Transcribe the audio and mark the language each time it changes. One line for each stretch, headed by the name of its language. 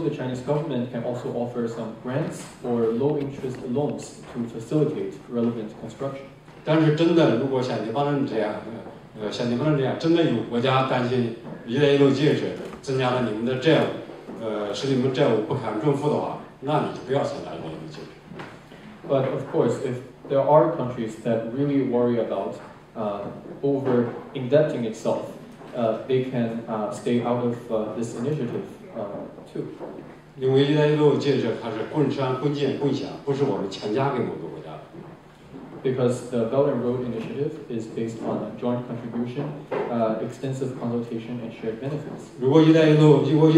English: the Chinese government can also offer some grants or low-interest loans to facilitate relevant construction.
Chinese: 但是真的，如果像你们这样，真的有国家担心一带一路建设增加了你们的债务，使你们债务不堪重负的话，那你就不要参加这个研究。
English: But of course, if there are countries that really worry about over indebting itself, they can stay out of this initiative too.
Chinese: 因为一带一路建设它是共商共建共享，不是我们强加给某个国家。
English: Because the Belt and Road Initiative is based on joint contribution, extensive consultation, and shared benefits.